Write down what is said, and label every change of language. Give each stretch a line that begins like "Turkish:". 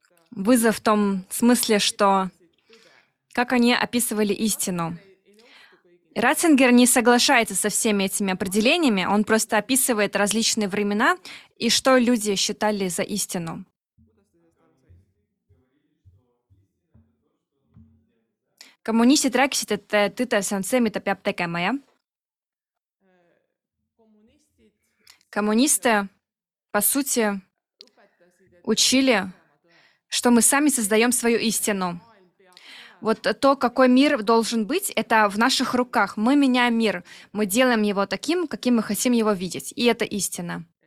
Russian: Вызов в том смысле, что как они описывали истину. Ратцингер не соглашается со всеми этими определениями, он просто описывает различные времена и что люди считали за истину.
Estonian: Kommunistid rääkisid, et tõde see on see, mida peab tegema, ja?
Russian: Kommuniste, по сути, учили, что мы сами создаем свою истину. Вот то, какой мир должен быть, это в наших руках. Мы меняем мир, мы делаем его таким, каким мы хотим его видеть. И это истина.